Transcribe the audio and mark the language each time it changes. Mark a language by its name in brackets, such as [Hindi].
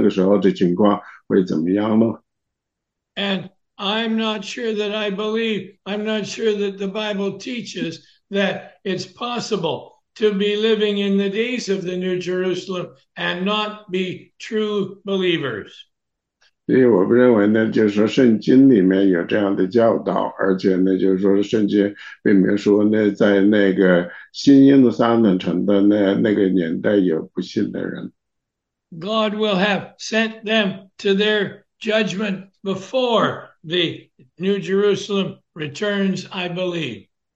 [Chinese] 对，你现在的就是说是答案，就是现在当今的一些情况。那么说呢，你的问题是在当时耶路撒冷城新耶路撒冷城圣城的那个时候的情况会怎么样呢？ [English] And I'm not sure that I believe, I'm not sure that the Bible teaches that it's possible to be living in the days of the New Jerusalem and not be true believers. [Chinese] 所以我不认为呢，就是说圣经里面有这样的教导，而且呢，就是说圣经并没有说呢，在那个新耶路撒冷城的那个年代有不信的人。 [English] God will have sent them to their judgment before the New Jerusalem returns, I believe.